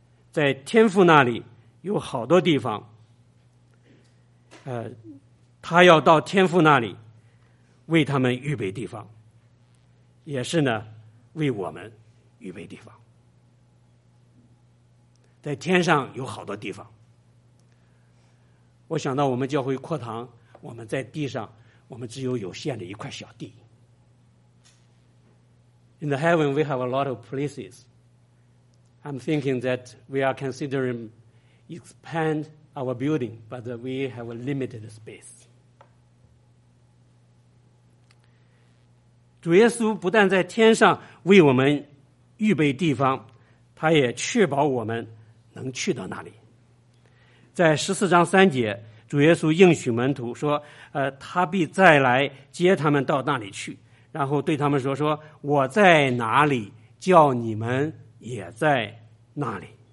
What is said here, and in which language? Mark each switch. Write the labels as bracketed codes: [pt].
[zh] 在天父那里有好多地方，他要到天父那里为他们预备地方，也是呢为我们预备地方。在天上有好多地方，我想到我们教会扩堂，我们在地上我们只有有限的一块小地。 [en] In the heaven we have a lot of places. I'm thinking that we are considering expand our building, but we have a limited space. [zh] 主耶稣不但在天上为我们预备地方，他也确保我们能去到那里。在十四章三节，主耶稣应许门徒说，他必再来接他们到那里去，然后对他们说，说我在哪里，叫你们也在那里。